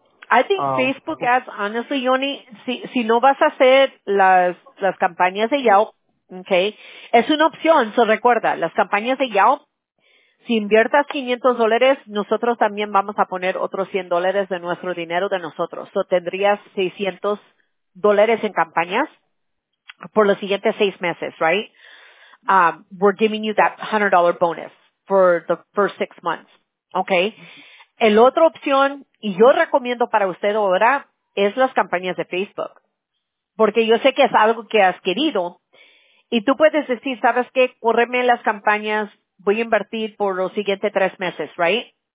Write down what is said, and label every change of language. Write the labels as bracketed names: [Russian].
[English] I think Facebook Ads, honestly, [Spanish] Yoni, si no vas a hacer las campañas de Yelp, okay, es una opción, so recuerda, las campañas de Yelp, si inviertas $500, nosotros también vamos a poner otros $100 de nuestro dinero de nosotros. So, tendrías $600 en campañas por los siguientes 6 meses, right? [English] We're giving you that $100 bonus for the first 6 months, okay? [Spanish] El otra opción, y yo recomiendo para usted ahora, es las campañas de Facebook. Porque yo sé que es algo que has querido. Y tú puedes decir, ¿sabes qué? Córreme las campañas. Voy a invertir por los siguientes 3 meses, right?